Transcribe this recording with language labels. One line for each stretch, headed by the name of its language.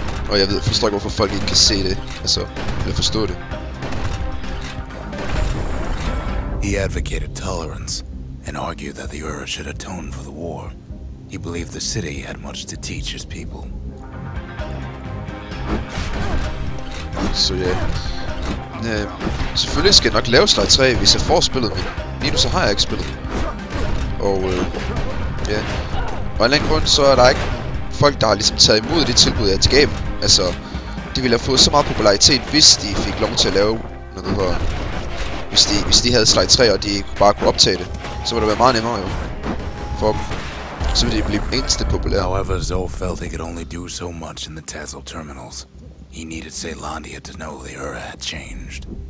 Danish: Og jeg ved, forstår ikke, hvorfor folk ikke kan se det, altså, eller forstå det.
English: He advocated tolerance and argued that the Ura should atone for the war. He believed the city had much to teach his people.
Danish: Så ja. Selvfølgelig skal jeg nok lave Sly 3, hvis jeg får spillet, men lige nu så har jeg ikke spillet. Og ja. Og en anden grund, så er der ikke folk, der har ligesom taget imod det tilbud, jeg gav dem. Altså, de ville have fået så meget popularitet, hvis de fik lov til at lave noget her. Hvis de havde Sly 3, og de bare kunne optage det, så ville det være meget nemmere jo. For så ville de blive eneste populære.
English: However, Zul felt he could only do so much in the Tassel terminals. He needed Zeylandia to know the Ura had changed.